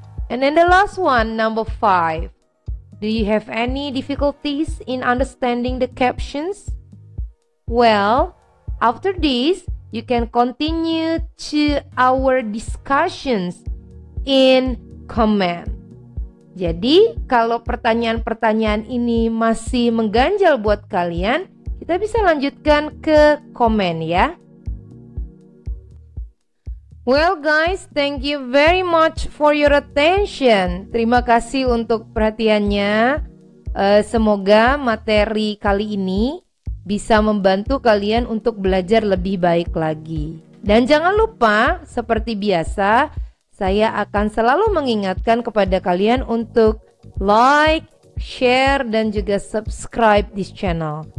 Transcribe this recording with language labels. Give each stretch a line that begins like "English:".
English: And then the last one, number 5. Do you have any difficulties in understanding the captions? Well, after this, you can continue to our discussions in comment.
Indonesian: Jadi, kalau pertanyaan-pertanyaan ini masih mengganjal buat kalian, kita bisa lanjutkan ke komen ya.
English: Well guys, thank you very much for your attention.
Indonesian: Terima kasih untuk perhatiannya. Semoga materi kali ini bisa membantu kalian untuk belajar lebih baik lagi. Dan jangan lupa, seperti biasa, saya akan selalu mengingatkan kepada kalian untuk like, share, dan juga
English: subscribe this channel.